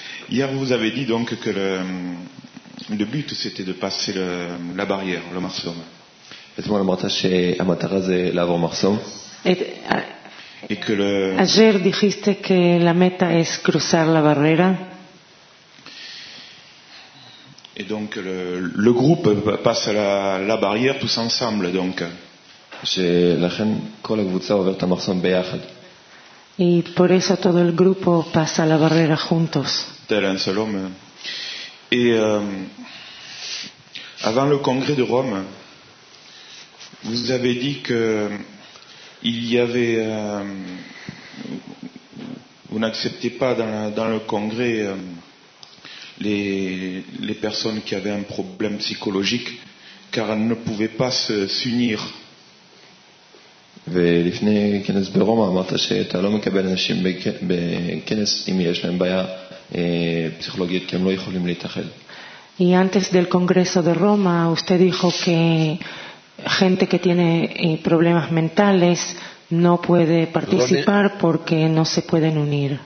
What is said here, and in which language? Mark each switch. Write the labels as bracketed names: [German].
[French] Hier, vous avez dit donc que le but, c'était de passer la barrière, le marsom. Faites-moi le mortage et à Matarazé, l'avant marsom. Et que le... [Spanish] Ayer dijiste que la meta es cruzar la barrera. [French] Et donc le groupe passe la barrière tous ensemble, donc. C'est la chaîne qu'on a voulu ouvrir à marsom beyachad. [Spanish] Y por eso todo el grupo pasa la barrera juntos. [French] Tel un seul homme. Et avant le congrès de Rome, vous avez dit qu'il y avait... vous n'acceptez pas dans le congrès les personnes qui avaient un problème psychologique car elles ne pouvaient pas s'unir. [Hebrew] ולפני כנס ברומא אמרת שאתה לא מקבל אנשים בכנס אם יש להם בעיה פסיכולוגית כי הם לא יכולים להתאחד. [Spanish] Y antes del congreso de Roma usted dijo que gente que tiene problemas mentales no puede participar porque no se pueden unir.